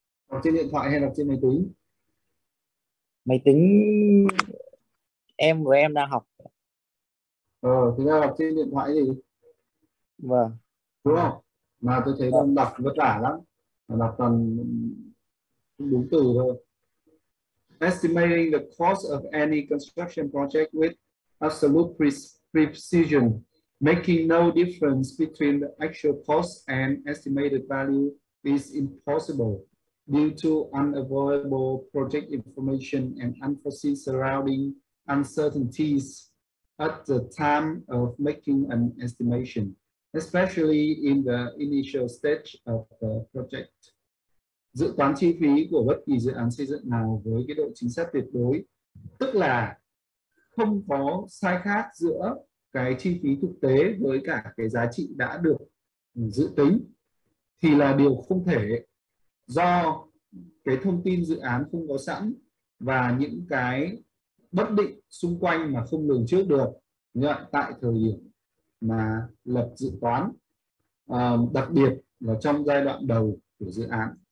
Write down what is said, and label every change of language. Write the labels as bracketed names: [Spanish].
[Vietnamese] Đọc trên điện thoại hay đọc trên máy tính? Máy tính em của em đang học. Thì đang học trên điện thoại gì? Vâng. Đúng không? Mà tôi thấy đang đọc vất vả lắm. Đọc toàn đúng từ thôi. [English] Estimating the cost of any construction project with absolute precision, making no difference between the actual cost and estimated value is impossible. Due to unavoidable project information and unforeseen surrounding uncertainties at the time of making an estimation, especially in the initial stage of the project. [Vietnamese] Dự toán chi phí của bất kỳ dự án xây dựng nào với cái độ chính xác tuyệt đối, tức là không có sai khác giữa cái chi phí thực tế với cả cái giá trị đã được dự tính, thì là điều không thể do cái thông tin dự án không có sẵn và những cái bất định xung quanh mà không lường trước được tại thời điểm mà lập dự toán, đặc biệt là trong giai đoạn đầu của dự án.